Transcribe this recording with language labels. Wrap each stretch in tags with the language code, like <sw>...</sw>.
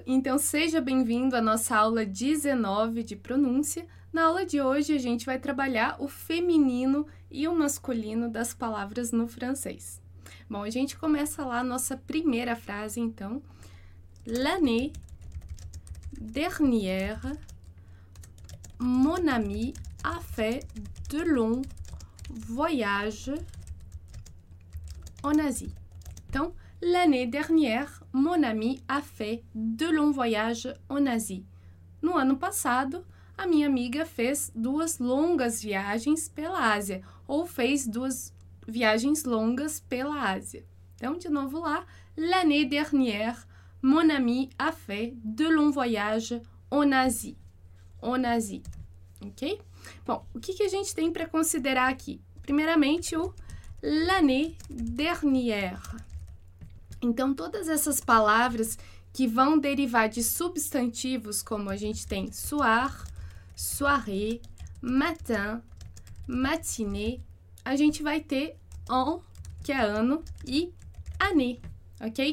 <pt>Então seja bem-vindo à nossa aula 19 de pronúncia. Na aula de hoje, a gente vai trabalhar o feminino e o masculino das palavras no francês. Bom, a gente começa lá a nossa primeira frase, então.</pt> <fr>L'année dernière, mon ami a fait de longs voyages en Asie.</fr> <pt>Então,</pt> <fr>l'année dernière, mon ami a fait de longs voyages en Asie.</fr> <pt>No ano passado, a minha amiga fez duas longas viagens pela Ásia, ou fez duas viagens longas pela Ásia. Então, de novo lá,</pt> <fr>l'année dernière, mon ami a fait de longs voyages en Asie. En Asie, ok?</fr> <pt>Bom, o que que a gente tem para considerar aqui? Primeiramente, o</pt> <fr>l'année dernière.</fr> <pt>Então, todas essas palavras que vão derivar de substantivos, como a gente tem soir, soirée, matin, matinée, a gente vai ter en, que é ano, e année, ok?</pt>